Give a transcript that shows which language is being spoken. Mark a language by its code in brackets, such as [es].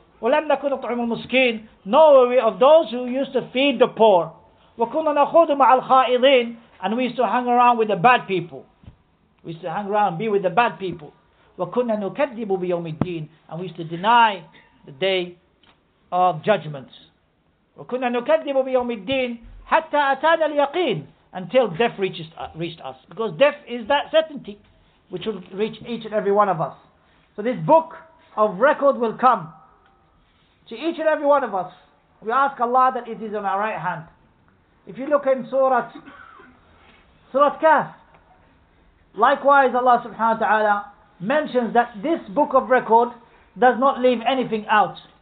[ar] وَلَمْ نَكُنْ نُطْعِمُ الْمُسْكِينَ, [en] nor were we of those who used to feed the poor. [ar] وَكُنَّا نَخُوضُ مَعَ الْخَائِضِينَ, [en] and we used to hang around with the bad people. We used to hang around, be with the bad people. [ar] وَكُنَّا نُكَذِّبُ بِيَوْمِ الدِّينِ, [en] and we used to deny the day of judgment. [ar] وَكُنَّا نُكَذِّبُ بِيَوْمِ الدِّينِ حَتَّى أَتَانَا الْيَقِينِ, [en] until death reached us. Because death is that certainty which will reach each and every one of us. So this book of record will come to each and every one of us. We ask Allah that it is on our right hand. If you look in Surah Kaf, likewise Allah subhanahu wa ta'ala mentions that this book of record does not leave anything out.